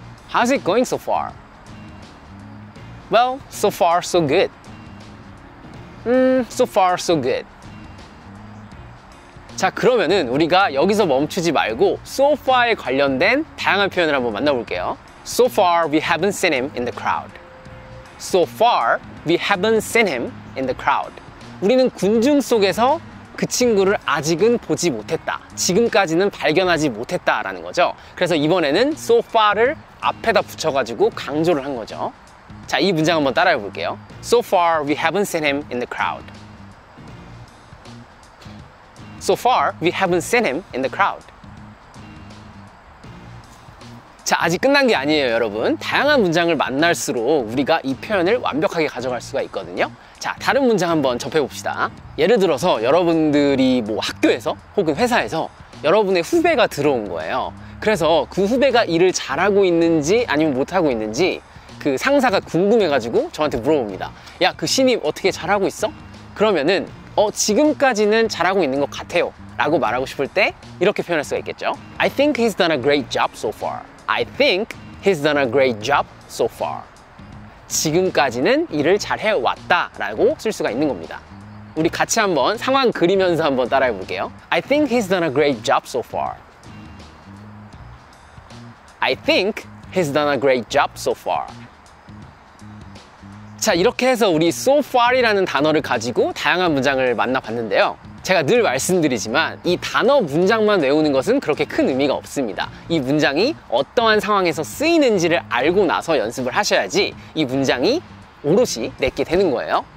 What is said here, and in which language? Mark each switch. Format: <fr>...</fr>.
<en>How's it going so far? Well, so far, so good. So far, so good.</en> <ko>자, 그러면은 우리가 여기서 멈추지 말고 so far에 관련된 다양한 표현을 한번 만나볼게요.</ko> <en>So far, we haven't seen him in the crowd. So far, we haven't seen him in the crowd.</en> <ko>우리는 군중 속에서 그 친구를 아직은 보지 못했다, 지금까지는 발견하지 못했다 라는 거죠. 그래서 이번에는 so far를 앞에다 붙여가지고 강조를 한 거죠. 자, 이 문장 한번 따라해 볼게요.</ko> <en>So far, we haven't seen him in the crowd. So far, we haven't seen him in the crowd.</en> <ko>자, 아직 끝난 게 아니에요, 여러분. 다양한 문장을 만날수록 우리가 이 표현을 완벽하게 가져갈 수가 있거든요. 자, 다른 문장 한번 접해봅시다. 예를 들어서 여러분들이 뭐 학교에서 혹은 회사에서 여러분의 후배가 들어온 거예요. 그래서 그 후배가 일을 잘하고 있는지 아니면 못하고 있는지 그 상사가 궁금해가지고 저한테 물어봅니다. 야, 그 신입 어떻게 잘하고 있어? 그러면은 지금까지는 잘하고 있는 것 같아요 라고 말하고 싶을 때 이렇게 표현할 수가 있겠죠.</ko> <en>I think he's done a great job so far. I think he's done a great job so far.</en> <ko>지금까지는 일을 잘해왔다 라고 쓸 수가 있는 겁니다. 우리 같이 한번 상황 그리면서 한번 따라해 볼게요.</ko> <en>I think he's done a great job so far. I think he's done a great job so far.</en> <ko>자, 이렇게 해서 우리 so far이라는 단어를 가지고 다양한 문장을 만나봤는데요. 제가 늘 말씀드리지만 이 단어 문장만 외우는 것은 그렇게 큰 의미가 없습니다. 이 문장이 어떠한 상황에서 쓰이는지를 알고 나서 연습을 하셔야지 이 문장이 오롯이 내게 되는 거예요.</ko>